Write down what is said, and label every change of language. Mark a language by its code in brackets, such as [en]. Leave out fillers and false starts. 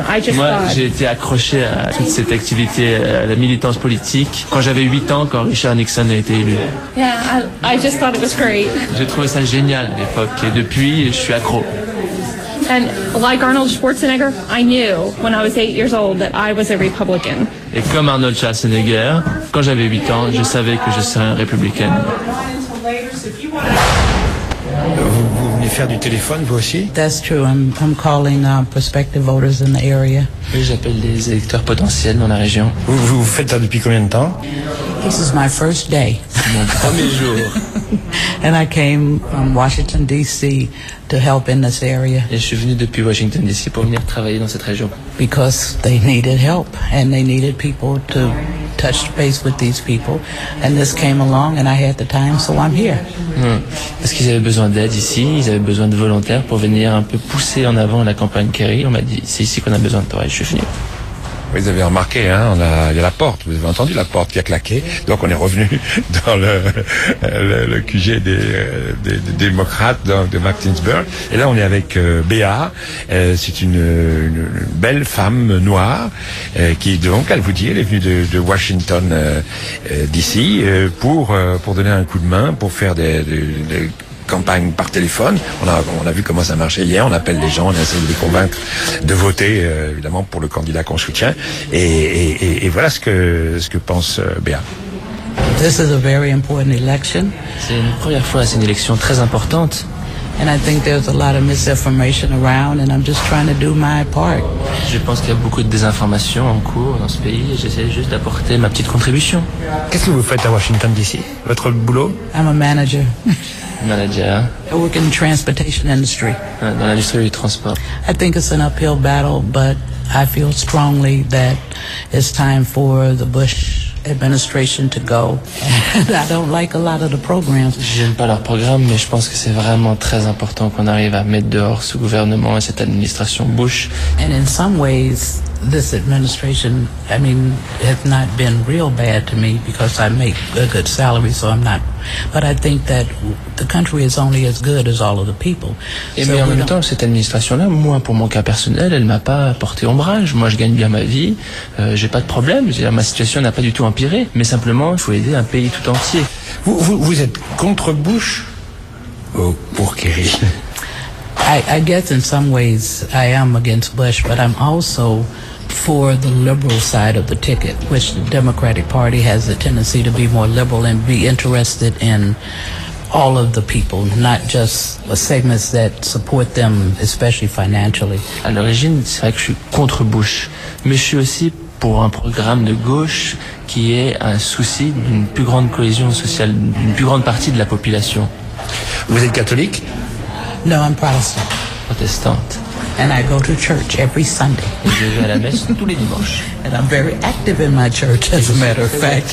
[en] I just [fr] moi, j'ai été accroché à toute cette activité, à la militance politique, quand j'avais 8 ans, quand Richard Nixon a été élu. [en] Yeah, I just thought it was great. [fr] J'ai trouvé ça génial à l'époque et depuis, je suis accro. [en] And like Arnold Schwarzenegger, I knew when I was 8 years old that I was a Republican. [fr] Et comme Arnold Schwarzenegger, quand j'avais 8 ans, je savais que je serais un républicain. Vous venez faire du téléphone, vous aussi? [en] That's true. I'm calling prospective voters in the area. [fr] Oui, j'appelle des électeurs potentiels dans la région. Vous faites ça depuis combien de temps? [en] This is my first day. [fr] C'est mon premier jour. [en] And I came from Washington, D.C. to help in this area. [fr] Et je suis venu depuis Washington, D.C. pour venir travailler dans cette région. [en] Because they needed help and they needed people to touch base with these people. And this came along and I had the time, so I'm here. [fr] Parce qu'ils avaient besoin d'aide ici, ils avaient besoin de volontaires pour venir un peu pousser en avant la campagne Kerry. On m'a dit, c'est ici qu'on a besoin de toi et je suis venu. Vous avez remarqué, hein, il y a la porte, vous avez entendu la porte qui a claqué. Donc on est revenu dans le QG des démocrates de Martinsburg. Et là on est avec Béa, c'est une belle femme noire qui donc, elle vous dit, elle est venue de Washington d'ici pour donner un coup de main, pour faire des campagne par téléphone. On a vu comment ça marchait hier. On appelle les gens, on essaie de les convaincre de voter, évidemment, pour le candidat qu'on soutient. Et voilà ce que pense Béa. [en] This is a very important election. [fr] C'est une première fois, c'est une élection très importante. [en] And I think there's a lot of misinformation around, and I'm just trying to do my part. [fr] Je pense qu'il y a beaucoup de désinformation en cours dans ce pays, et j'essaie juste d'apporter ma petite contribution. Qu'est-ce que vous faites à Washington D.C.? Votre boulot? [en] I'm a manager. [fr] Manager. [en] I work in the transportation industry. [fr] Dans l'industrie du transport. [en] I think it's an uphill battle, but I feel strongly that it's time for the Bush administration to go. I don't like a lot of the programs. [fr] J'aime pas leur programme, mais je pense que c'est vraiment très important qu'on arrive à mettre dehors ce gouvernement et cette administration Bush. [en] And in some ways, this administration, I mean, has not been real bad to me because I make a good salary, so I'm not. But I think that the country is only as good as all of the people. [fr] Et mais en même temps, cette administration-là, moi, pour mon cas personnel, elle m'a pas porté ombrage. Moi, je gagne bien ma vie, j'ai pas de problème. C'est-à-dire, ma situation n'a pas du tout empiré. Mais simplement, il faut aider un pays tout entier. Vous êtes contre Bush ou pour Kerry? [en] I guess in some ways I am against Bush, but I'm also for the liberal side of the ticket, which the Democratic Party has a tendency to be more liberal and be interested in all of the people, not just the segments that support them, especially financially. [fr] À l'origine, c'est vrai que je suis contre Bush, mais je suis aussi pour un programme de gauche qui est un souci d'une plus grande cohésion sociale, d'une plus grande partie de la population. Vous êtes catholique? [en] No, I'm Protestant. [fr] Protestante. [en] And I go to church every Sunday. [fr] Et je vais à la messe tous les dimanches. [en] And I'm very active in my church, as a matter of fact.